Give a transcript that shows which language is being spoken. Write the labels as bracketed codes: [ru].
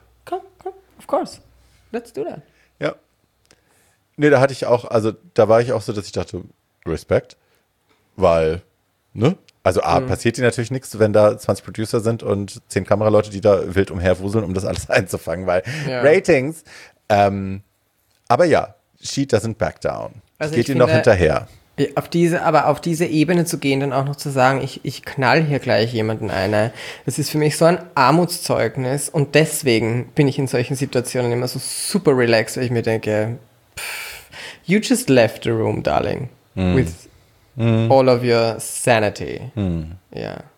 [en] Come, of course. Let's do that. [de] Ja. Nee, da hatte ich auch, also da war ich auch so, dass ich dachte, Respekt. Weil, ne? Also A, passiert dir natürlich nichts, wenn da 20 Producer sind und 10 Kameraleute, die da wild umherwuseln, um das alles einzufangen, weil Ratings. Aber ja, [en] she doesn't back down. [de] Also geht ihr noch hinterher. Auf diese Ebene zu gehen, dann auch noch zu sagen, ich knall hier gleich jemanden eine, das ist für mich so ein Armutszeugnis. Und deswegen bin ich in solchen Situationen immer so super relaxed, weil ich mir denke, [en] you just left the room, darling, with all of your sanity. [de] Ja.